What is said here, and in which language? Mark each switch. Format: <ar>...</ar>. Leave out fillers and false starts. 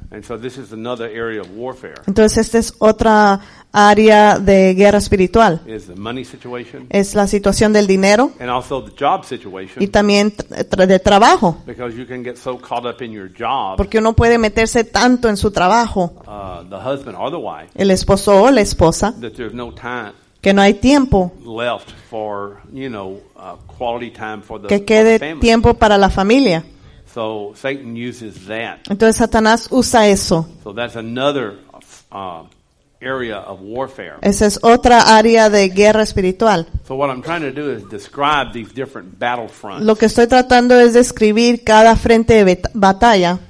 <en>And so this is another area of warfare.</en> <es>Entonces esta es otra área de guerra espiritual.</es> <en>Is the money situation.</en> <es>Es la situación del dinero.</es> <en>And also the job situation.</en> <es>Y también de trabajo.</es> <en>Because you can get so caught up in your job.</en> <es>Porque uno puede meterse tanto en su trabajo.</es> <en>The husband or the wife.</en> <es>El esposo o la esposa.</es> <en>That there's no time.</en> <es>Que no hay tiempo.</es> <en>Left for, you know, quality time for the</en> <es>que quede tiempo para la familia.</es> <en>So Satan uses that.</en> <es>Entonces Satanás usa eso.</es> <en>So that's another area of warfare.</en> <es>Esa es otra área de guerra espiritual.</es> <en>So what I'm trying to do is describe these different battle fronts.</en> <es>Lo que estoy tratando es describir cada frente de batalla.</es>